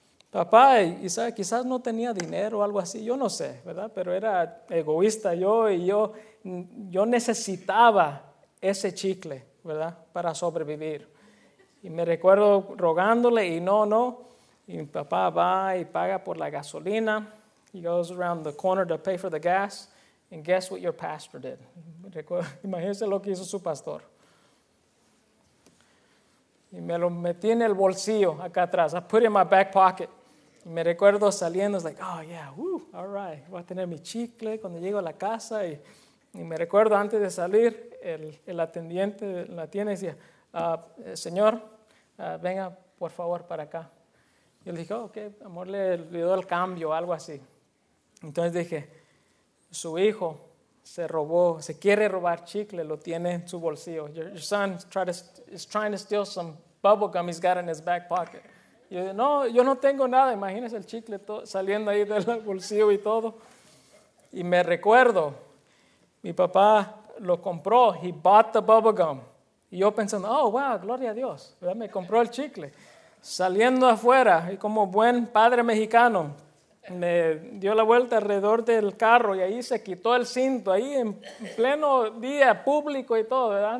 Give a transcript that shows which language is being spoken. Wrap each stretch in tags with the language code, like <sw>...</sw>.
<es>Papá, quizás no tenía dinero o algo así, yo no sé, ¿verdad? Pero era egoísta yo y yo necesitaba ese chicle, ¿verdad? Para sobrevivir. Y me recuerdo rogándole y no. Y mi papá va y paga por la gasolina.</es> <en>He goes around the corner to pay for the gas. And guess what your pastor did.</en> <es>Imagínese lo que hizo su pastor. Y me lo metí en el bolsillo acá atrás.</es> <en>I put it in my back pocket.</en> <es>Y me recuerdo saliendo.</es> <en>It's like, oh yeah, woo, all right.</en> <es>Voy a tener mi chicle cuando llego a la casa. Y me recuerdo antes de salir, el atendiente en la tienda decía, señor, venga por favor para acá. Y le dije, oh, ok, amor, le dio el cambio, algo así. Entonces dije, su hijo se quiere robar chicle, lo tiene en su bolsillo.</es> <en>Your son is trying to steal some bubble gum he's got in his back pocket.</en> <es>Y yo dije, no, yo no tengo nada, imagínese el chicle saliendo ahí del bolsillo y todo. Y me recuerdo, mi papá lo compró,</es> <en>he bought the bubble gum.</en> <es>Y yo pensando, oh, wow, gloria a Dios, ¿verdad? Me compró el chicle. Saliendo afuera, y como buen padre mexicano, me dio la vuelta alrededor del carro y ahí se quitó el cinto, ahí en pleno día público y todo, ¿verdad?</es>